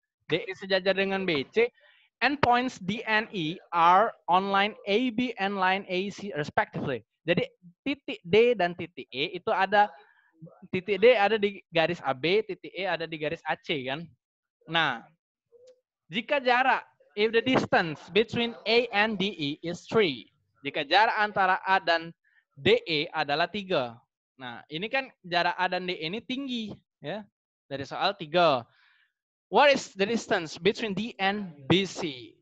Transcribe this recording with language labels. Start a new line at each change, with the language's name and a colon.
Indonesian: DE sejajar dengan BC.
English: Endpoints D and E are on line AB and line AC respectively.
Indonesian: Jadi titik D dan titik E itu ada, titik D ada di garis AB, titik E ada di garis AC kan. Nah, jika jarak,
English: if the distance between A and DE is 3.
Indonesian: Jika jarak antara A dan DE adalah 3. Nah, ini kan jarak A dan DE ini tinggi ya. Dari soal 3.
English: What is the distance between D and BC?